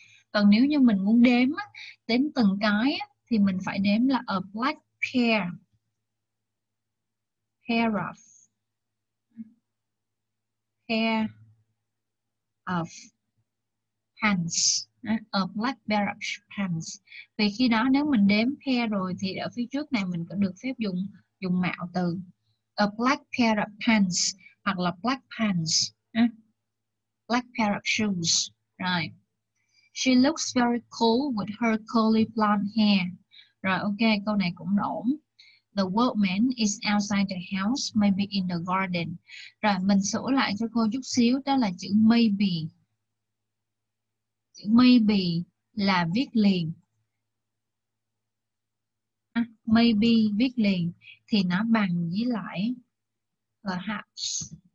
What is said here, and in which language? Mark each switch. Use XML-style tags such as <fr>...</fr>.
<vi>Còn nếu như mình muốn đếm đếm từng cái thì mình phải đếm là</vi> <en>a black pair pair of pants,</en> <vi>a black pair of pants. Vì khi đó nếu mình đếm pair rồi thì ở phía trước này mình có được phép dùng dùng mạo từ</vi> <en>a black pair of pants hoặc là black pants, black pair of shoes.</en> <vi>Rồi.</vi> <en>She looks very cool with her curly blonde hair.</en> <vi>Rồi ok, câu này cũng ổn.</vi> <en>The workman is outside the house, maybe in the garden.</en> <vi>Rồi mình sửa lại cho cô chút xíu, đó là chữ maybe. Chữ maybe là viết liền. Maybe viết liền thì nó bằng với lại perhaps.</vi>